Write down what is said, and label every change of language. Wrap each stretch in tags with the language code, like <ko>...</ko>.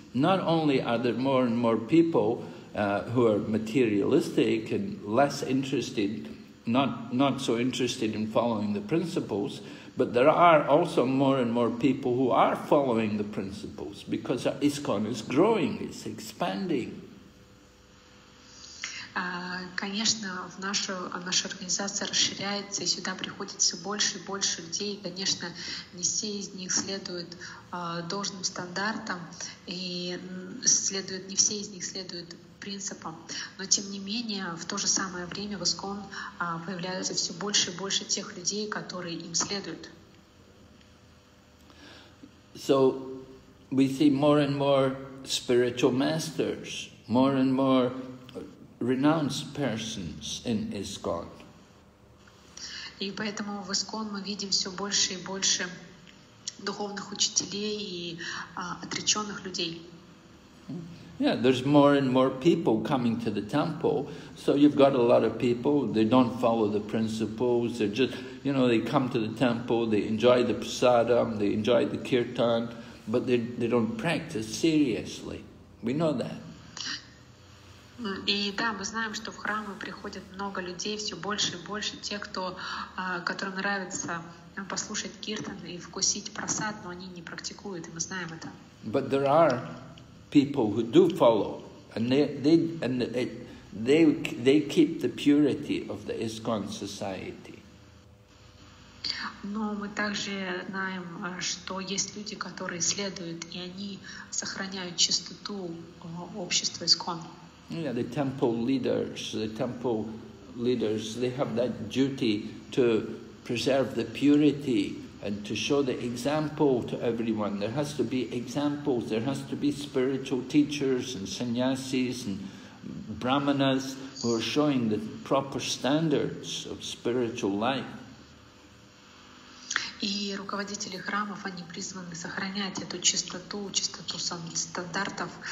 <en>Not only are there more and more people who are materialistic and less interested, not so interested in following the principles, But there are also more and more people who are following the principles because ISKCON is growing, it's expanding.</en> <ru>Конечно, наша организация расширяется, и сюда приходит все больше и больше людей. Конечно, не все из них следуют должным стандартам, и не все из них следуют принципам. Но, тем не менее, в то же самое время в ИСККОН появляются все больше и больше тех людей, которые им следуют.</ru> <en>So, we see more and more spiritual masters, more and more renounced persons in ISKCON.</en> <ru>И поэтому в ИСККОН мы видим все больше и больше духовных учителей и отреченных людей.</ru> <en>Yeah, there's more and more people coming to the temple. So you've got a lot of people, they don't follow the principles, they're just, you know, they come to the temple, they enjoy the prasadam, they enjoy the kirtan, but they don't practice seriously. We know that.</en> <ru>И да, мы знаем, что в храмы приходит много людей, все больше и больше тех, кто, которым нравится послушать киртан и вкусить прасад, но они не практикуют, и мы знаем это.</ru> <en>But there are people who do follow, and they keep the purity of the ISKCON society.</en> <ru>Но мы также знаем, что есть люди, которые следуют, и они сохраняют чистоту общества ISKCON.</ru> <en>Yeah, the temple leaders, they have that duty to preserve the purity and to show the example to everyone. There has to be examples, there has to be spiritual teachers and sannyasis and brahmanas who are showing the proper standards of spiritual life.</en> <ru>И руководители храмов, они призваны сохранять эту чистоту, чистоту стандартов.</ru>